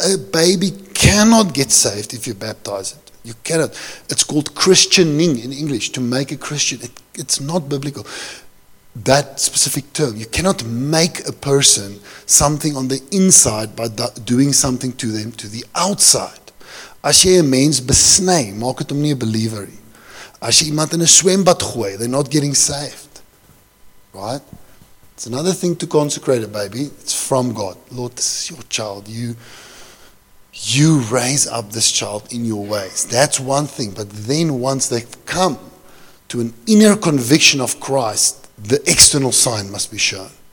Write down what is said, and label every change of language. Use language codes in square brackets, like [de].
[en] A baby cannot get saved if you baptize it. You cannot. It's called Christianing in English, to make a Christian. It's not biblical. That specific term. You cannot make a person something on the inside by doing something to them to the outside. [af] As jy 'n mens besny, maak het hom nie 'n believer. As jy iemand in 'n swembad gooi, [en] they're not getting saved. Right? It's another thing to consecrate a baby. It's from God. Lord, this is your child. You raise up this child in your ways. That's one thing. But then once they come to an inner conviction of Christ, the external sign must be shown.